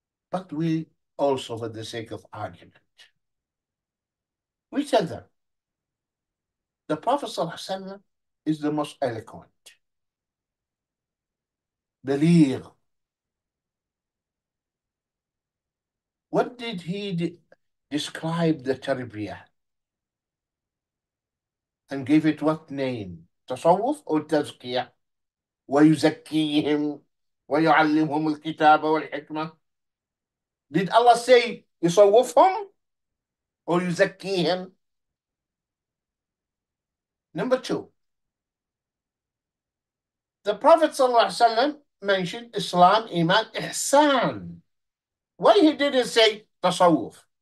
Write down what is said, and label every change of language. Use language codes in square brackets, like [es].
[en] But we also, for the sake of argument, we tell them the Prophet ﷺ is the most eloquent, Baligh. What did he describe the tarbiyah and gave it what name? Tasawwuf or tazkiyah? [ar] ويزكيهم ويعلمهم الكتاب والحكمة. [en] Did Allah say يصوفهم or يزكيهم? Number two. The Prophet ﷺ mentioned Islam, Iman, Ihsan. Why he didn't say tasawwuf?